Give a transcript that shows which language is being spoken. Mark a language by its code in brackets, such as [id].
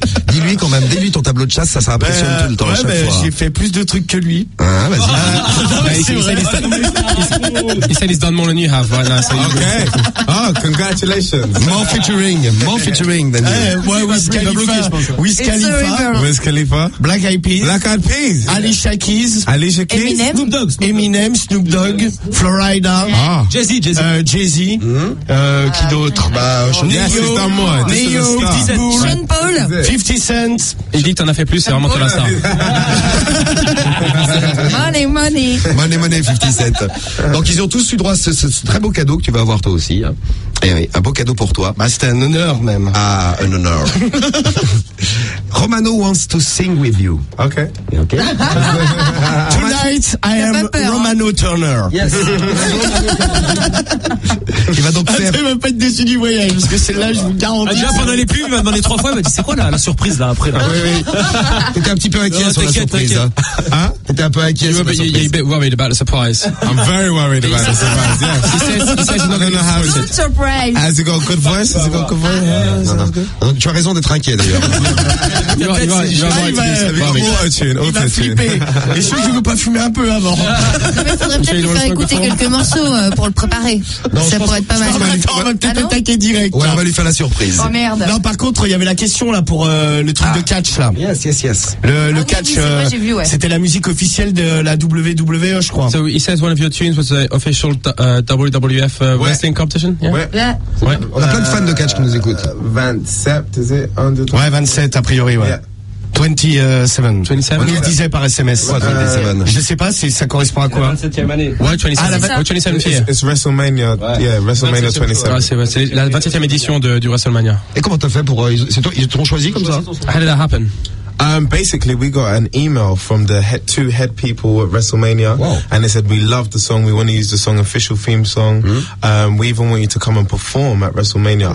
[fr] Dis-lui quand même, dis-lui ton tableau de chasse, ça impressionne tout le temps. Ouais, chaque fois. J'ai fait plus de trucs que lui. Ah, vas-y. [en] He said he's done more than you have right now. So okay. Oh, congratulations. More featuring than you. Wiz Khalifa. Black Eyed Peas. Alicia Keys. Alicia Keys. Eminem. Snoop Dogg. Florida. Ah. Jay-Z. [fr] Qui d'autre? [en] Bah, yes, he's done more. Neo. Sean Paul. 50 Cent. [fr] Il dit que t'en as fait plus, c'est vraiment ton instant. Money, 57. Donc ils ont tous eu droit à ce très beau cadeau que tu vas avoir toi aussi. Et oui, un beau cadeau pour toi. Bah, c'était un honneur même. Ah, un honneur. [en] Romano wants to sing with you. Okay. Tonight, I am Romano Turner. Yes. [fr] Il va donc faire. Il va pas être déçu du voyage, parce que celle-là, je vous garantis. Déjà, pendant les pubs, il m'a demandé trois fois, il m'a dit c'est quoi la surprise là après là. Oui. T'étais un petit peu inquiet sur la surprise. T'étais un peu inquiet. [en] You were a bit worried about the surprise. I'm very worried about the surprise. Yes. He says he's not going to have it. Good surprise. Has he got a good voice? [fr] Non. Tu as raison d'être inquiet d'ailleurs. Il va flipper. Est-ce que je veux pas fumer un peu avant? Il faudrait peut-être lui faire écouter quelques morceaux pour le préparer. Non, ça pourrait être pas mal. On va peut-être attaquer direct. Ouais, on va lui faire la surprise. Oh merde. Non, par contre, il y avait la question là pour le truc de catch là. [en] Yes. [fr] Le catch, c'était la musique officielle de la WWE, je crois. [en] So he says one of your tunes was the official WWF wrestling competition. [fr] Ouais. On a plein de fans de catch qui nous écoutent. [en] 27, is it? 1, 2, 3. [fr] Ouais, 27 a priori, ouais. Yeah. 27. On le disait par SMS. Je sais pas si ça correspond à quoi. 27e année. Ouais, 27. Ah, 27. [en] It's WrestleMania. [fr] Ouais. [en] Yeah, WrestleMania 27. [fr] Ouais, c'est la 27e édition du WrestleMania. Et comment t'as fait pour ils t'ont choisi comme ça? [en] How did that happen? Basically, we got an email from the two head people at WrestleMania. Wow. And they said, we love the song. We want to use the song, official theme song. Mm-hmm. We even want you to come and perform at WrestleMania.